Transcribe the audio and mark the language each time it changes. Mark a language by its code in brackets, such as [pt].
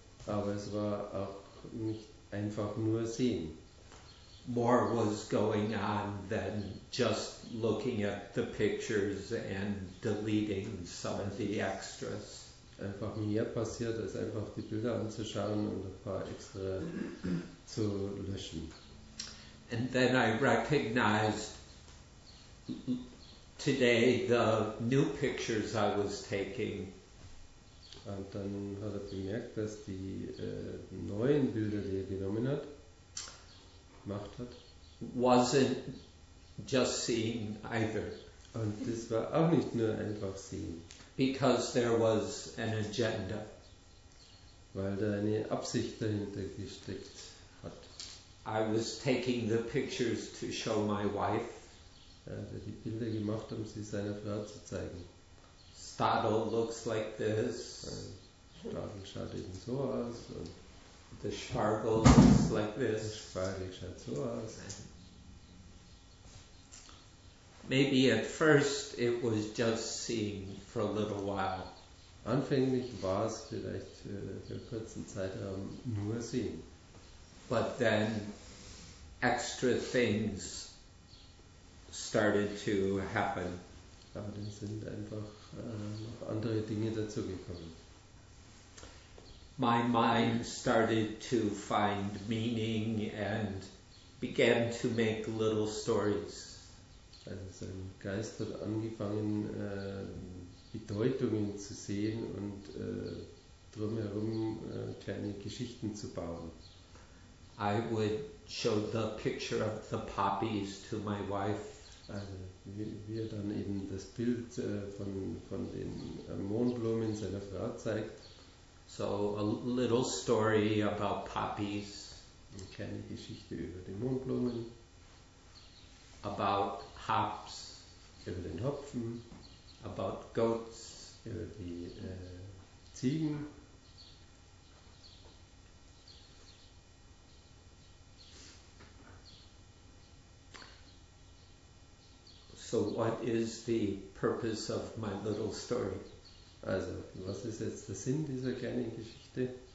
[de] Aber es war auch nicht einfach nur sehen. [en] More was going on than just looking at the pictures and deleting some of the extras. [de] Einfach mehr passiert, als einfach die Bilder anzuschauen und ein paar extra zu löschen. [en] And then I recognized today the new pictures I was taking. [de] Und dann hat er bemerkt, dass die neuen Bilder, die er genommen hat, gemacht hat. [en] Wasn't just seeing either. [de] Und das war auch nicht nur einfach sehen. [en] Because there was an agenda. [de] Weil da eine Absicht dahinter gesteckt hat. [en] I was taking the pictures to show my wife. [de] Er hat die Bilder gemacht, um sie seiner Frau zu zeigen. [en] Stadel looks like this. [de] Stadel schaut eben so aus. Und [en] the Spargel looks like this. The [de] Spargel schaut so aus. [en] Maybe at first it was just seeing for a little while. [de] Anfänglich war es vielleicht für einen kurzen Zeitraum nur sehen. [en] But then extra things started to happen. [de] Aber dann sind einfach noch andere Dinge dazugekommen. [en] My mind started to find meaning and began to make little stories. [de] Also sein Geist hat angefangen, Bedeutungen zu sehen und drumherum kleine Geschichten zu bauen. [en] I would show the picture of the poppies to my wife. [de] Also wie er dann eben das Bild von den Mohnblumen seiner Frau zeigt. [en] So a little story about poppies. [de] Eine kleine Geschichte über die Mohnblumen. [en] About hops. [de] Über den Hopfen. [en] About goats. [de] Über die Ziegen. [en] So what is the purpose of my little story? [de] Also, was ist jetzt der Sinn dieser kleinen Geschichte?